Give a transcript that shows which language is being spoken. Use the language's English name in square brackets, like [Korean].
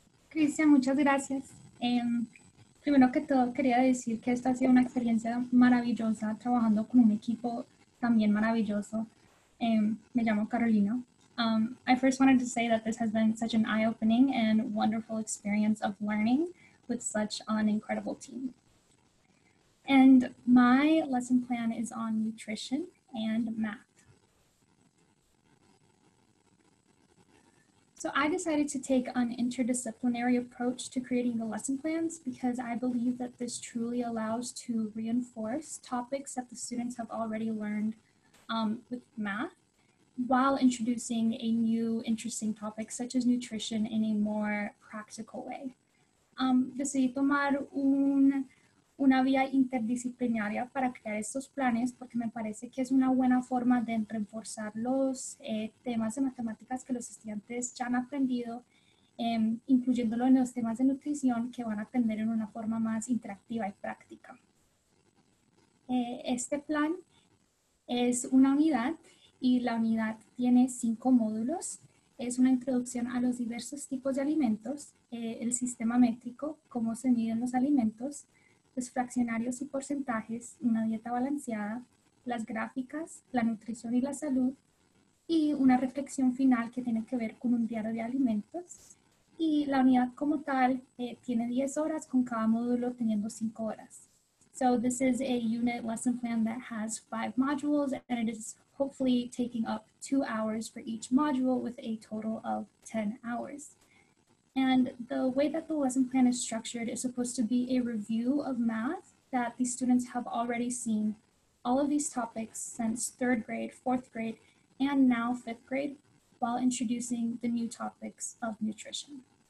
[Spanish] Cristian, muchas gracias. Primero que todo, quería decir que esta ha sido una experiencia maravillosa trabajando con un equipo también maravilloso. Me llamo Carolina. [English] I first wanted to say that this has been such an eye-opening and wonderful experience of learning with such an incredible team. And my lesson plan is on nutrition and math. So I decided to take an interdisciplinary approach to creating the lesson plans because I believe that this truly allows to reinforce topics that the students have already learned with math while introducing a new interesting topic such as nutrition in a more practical way. Decidí tomar un [Spanish] una vía interdisciplinaria para crear estos planes, porque me parece que es una buena forma de reforzar los temas de matemáticas que los estudiantes ya han aprendido, incluyéndolo en los temas de nutrición que van a aprender en una forma más interactiva y práctica. Este plan es una unidad y la unidad tiene 5 módulos. Es una introducción a los diversos tipos de alimentos, el sistema métrico, cómo se miden los alimentos, los fraccionarios y porcentajes, una dieta balanceada, las gráficas, la nutrición y la salud, y una reflexión final que tiene que ver con un diario de alimentos. Y la unidad como tal tiene 10 horas, con cada módulo teniendo 5 horas. [English] So this is a unit lesson plan that has 5 modules, and it is hopefully taking up 2 hours for each module with a total of 10 hours. And the way that the lesson plan is structured is supposed to be a review of math that the students have already seen all of these topics since 3rd grade, 4th grade, and now 5th grade, while introducing the new topics of nutrition.